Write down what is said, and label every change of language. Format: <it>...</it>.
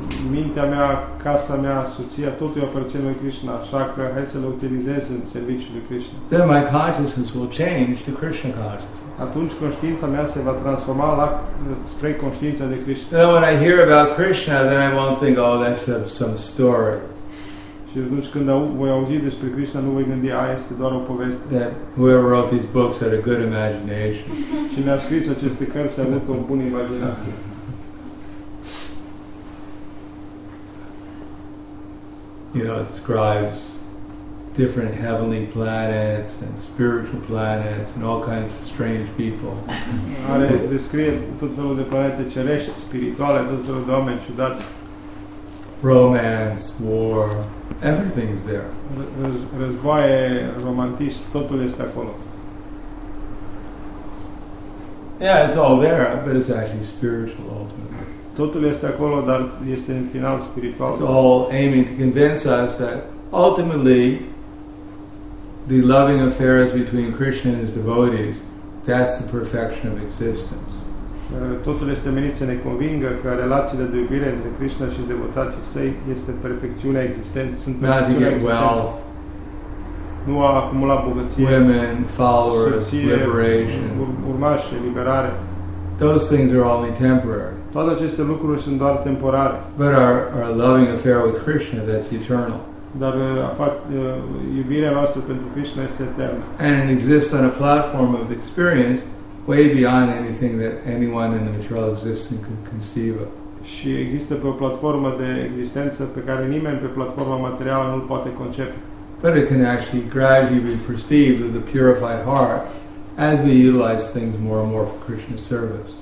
<ro>Mintea mea, casa mea, soția, totul îi aparține lui Krishna, așa că hai să le utilizez în serviciul lui Krishna.</ro> <en>Then my consciousness will change to Krishna consciousness.</en> <ro>Atunci conștiința mea se va transforma la spre conștiința de Krishna.</ro> <en>Then when I hear about Krishna, then I won't think, oh, that's some story.</en> <ro>Și atunci când voi auzi despre Krishna, nu voi gândi, aia este doar o poveste.</ro> <en>That whoever wrote these books had a good imagination.</en> <ro>Cine a scris aceste cărți a avut o bună imaginație.</ro> <en>You know, it describes different heavenly planets and spiritual planets and all kinds of strange people.</en> <ro>Are descrie tot felul de planete cerești, spirituale, tot felul de oameni ciudați.</ro> <en>Romance, war, everything's there.</en> <ro>Războaie, romantism, totul este acolo.</ro> <en>Yeah, it's all there, but it's actually spiritual ultimately.</en> <ro>Totul este acolo, dar este în final spiritual.</ro> <en>It's all aiming to convince us that ultimately the loving affairs between Krishna and his devotees, that's the perfection of existence.</en> <ro>Totul este menit să ne convingă că relațiile de iubire între Krishna și devotații săi este perfecțiunea existenței.</ro> <en>Not to get wealth,</en> <ro>nu a acumula bogăție,</ro> <en>women, followers, liberation.</en> <ro>Urmașe, liberare.</ro> <en>Those things are only temporary.</en> <ro>Toate aceste lucruri sunt doar temporare.</ro> <en>But our loving affair with Krishna, that's eternal.</en> <ro>Dar iubirea noastră pentru Krishna este eternă.</ro> <en>And it exists on a platform of experience way beyond anything that anyone in the material existence could conceive of.</en> <ro>Și există pe o platformă de existență pe care nimeni pe platforma materială nu-l poate concepe.</ro> <en>But it can actually gradually be perceived with a purified heart as we utilize things more and more for Krishna's service.</en>